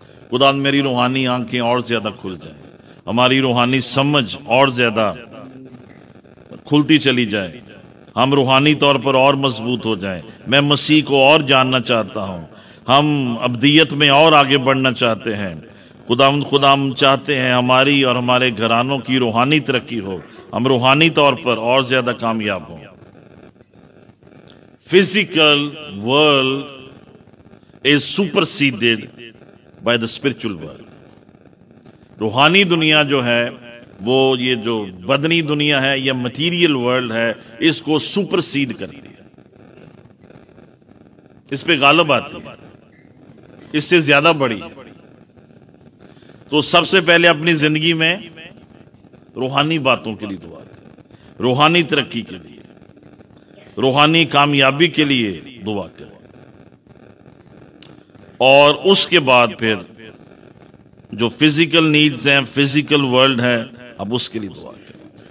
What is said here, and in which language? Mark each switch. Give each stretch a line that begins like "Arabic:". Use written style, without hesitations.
Urdu: خدا میری روحانی آنکھیں اور زیادہ کھل جائیں، ہماری روحانی سمجھ اور زیادہ کھلتی چلی جائے، ہم روحانی طور پر اور مضبوط ہو جائیں. میں مسیح کو اور جاننا چاہتا ہوں، ہم ابدیت میں اور آگے بڑھنا چاہتے ہیں. خدا ہم چاہتے ہیں ہماری اور ہمارے گھرانوں کی روحانی ترقی ہو، ہم روحانی طور پر اور زیادہ کامیاب ہوں.
English: Physical world is superseded by the spiritual world.
Urdu: روحانی دنیا جو ہے وہ یہ جو بدنی دنیا ہے یا مٹیریل ورلڈ ہے اس کو سپرسیڈ کرتی ہے، اس پہ غالب آتی ہے، اس سے زیادہ بڑی. تو سب سے پہلے اپنی زندگی میں روحانی باتوں کے لیے دعا کریں، روحانی ترقی کے لیے، روحانی کامیابی کے لیے دعا کریں، اور اس کے بعد پھر جو فزیکل نیڈز ہیں، فزیکل ورلڈ ہے، اب اس کے لیے دعا کریں.